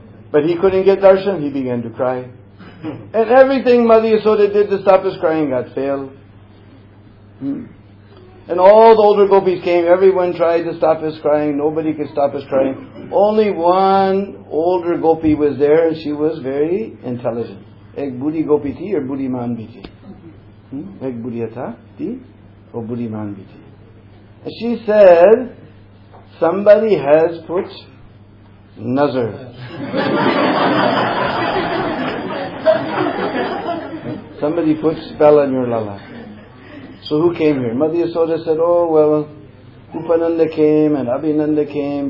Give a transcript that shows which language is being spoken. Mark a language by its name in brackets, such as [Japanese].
[English] But he couldn't get darshan, he began to cry. And everything Mother Yasoda did to stop his crying got failed. And all the older gopis came. Everyone tried to stop his crying. Nobody could stop his crying. Only one older gopi was there, and she was very intelligent. [Hindi] एक बूढ़ी गोपी थी और बुद्धिमान भी थी। एक बूढ़ी था थी और बुद्धिमान भी थी। [English] And she said, somebody has put nazar. Somebody put spell on your lala. So who came here? Mother Yasoda said, oh, well, Upananda came and Abhinanda came.